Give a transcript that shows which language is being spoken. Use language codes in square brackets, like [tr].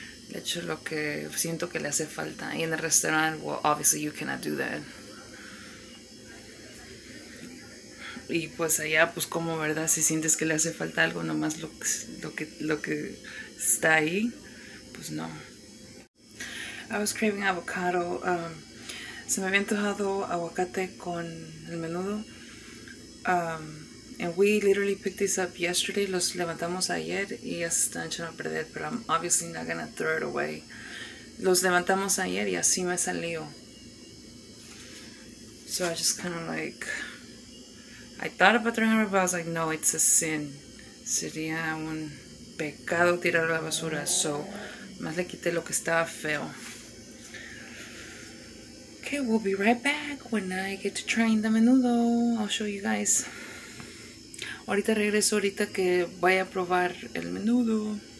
[es] De hecho, lo que siento que le hace falta. Y en el restaurant, [en] well, obviously you cannot do that. [es] Y pues allá, pues como, ¿verdad? Si sientes que le hace falta algo, nomás lo que está ahí, pues no. [en] I was craving avocado. [es] Se me había antojado aguacate con el menudo. [en] And we literally picked this up yesterday. [es] Los levantamos ayer y ya se están echando a perder, pero [en] I'm obviously not gonna throw it away. [es] Los levantamos ayer y así me salió. [en] So I just kind of like, I thought about throwing it, but I was like, no, it's a sin. [es] Sería un pecado tirar la basura. So, más le quité lo que estaba feo. [en] Okay, we'll be right back when I get to trying the menudo. I'll show you guys. [es] Ahorita regreso, ahorita que vaya a probar el menudo.